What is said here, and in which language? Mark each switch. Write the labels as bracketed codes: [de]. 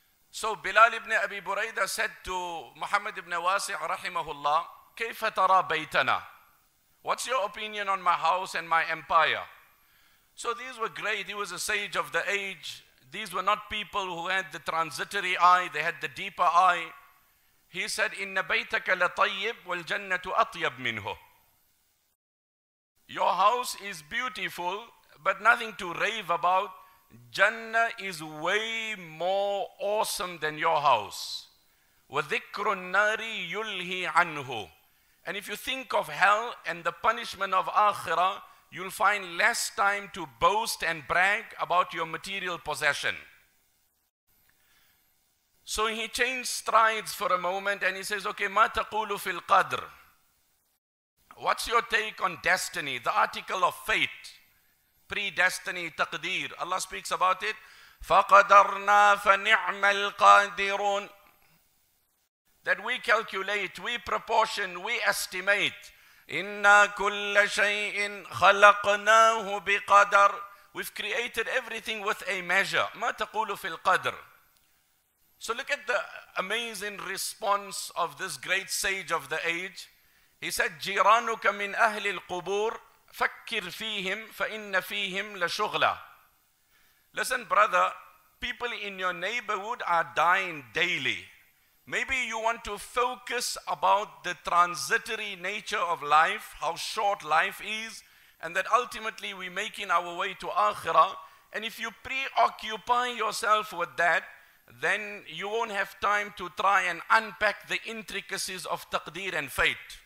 [en] So Bilal ibn Abi Buraida said to Muhammad ibn Wasi' rahimahullah, [ar] كيف ترى بيتنا? [en] What's your opinion on my house and my empire? So these were great, he was a sage of the age. These were not people who had the transitory eye, they had the deeper eye. He said, [ar] إِنَّ بَيْتَكَ لَطَيِّبْ وَالْجَنَّةُ أَطْيَبْ مِنْهُ. [en] Your house is beautiful, but nothing to rave about. Jannah is way more awesome than your house. [ar] وَذِكْرُ النَّارِ يُلْهِ عَنْهُ. [en] And if you think of hell and the punishment of Akhirah, you'll find less time to boast and brag about your material possession. So he changed strides for a moment and he says, okay, [ar] مَا تَقُولُ فِي الْقَدْرِ? [en] What's your take on destiny, the article of fate, predestiny, taqdeer? Allah speaks about it. [ar] فَقَدَرْنَا فَنِعْمَ الْقَادِرُونَ. [en] That we calculate, we proportion, we estimate. [ar] إِنَّا كُلَّ شَيْءٍ خَلَقْنَاهُ بِقَدَرٍ. [en] We've created everything with a measure. [ar] مَا تَقُولُ فِي الْقَدْرِ? [en] So look at the amazing response of this great sage of the age. He said, [ar] جِرَانُكَ مِنْ أَهْلِ الْقُبُورِ فَكِّرْ فِيهِمْ فَإِنَّ فِيهِمْ لَشُغْلَ. [en] Listen, brother, people in your neighborhood are dying daily. Maybe you want to focus about the transitory nature of life, how short life is, and that ultimately we're making our way to Akhirah. And if you preoccupy yourself with that, then you won't have time to try and unpack the intricacies of taqdeer and fate.